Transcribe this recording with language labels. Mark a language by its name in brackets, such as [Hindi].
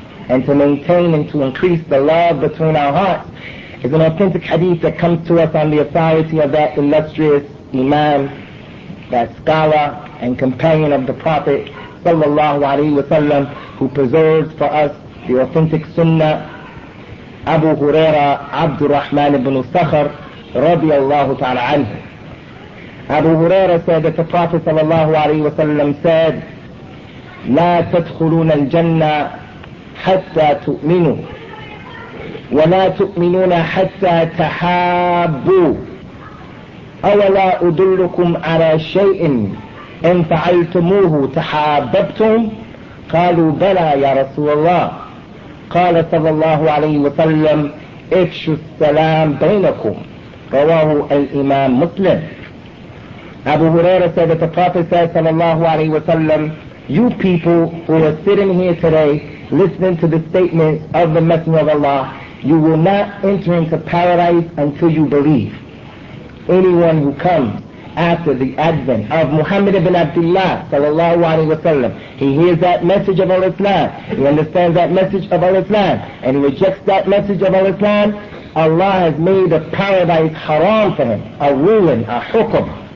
[English] and to maintain and to increase the love between our hearts, is an authentic hadith that comes to us on the authority of that illustrious imam, that scholar and companion of the Prophet sallallahu alaihi wasallam, who preserves for us the authentic sunnah, Abu Huraira Abdul Rahman ibn Sakhr radiallahu ta'ala anhu. Abu Huraira said that the Prophet sallallahu alaihi wasallam said, [Arabic] لا تدخلون الجنة حتى تؤمنوا ولا تؤمنون حتى تحابوا أولا أدلكم على شيء إن فعلتموه تحاببتم قالوا بلى يا رسول الله قال صلى الله عليه وسلم افشوا السلام بينكم رواه الإمام مسلم. [English] Abu Huraira said that the Prophet صلى الله عليه وسلم, you people who are sitting here today listening to the statement of the Messenger of Allah, you will not enter into paradise until you believe. Anyone who comes after the advent of Muhammad ibn Abdullah sallallahu alayhi wa sallam, he hears that message of Al-Islam, he understands that message of Al-Islam, and he rejects that message of Al-Islam, Allah has made a paradise haram for him, a ruling, a hukum.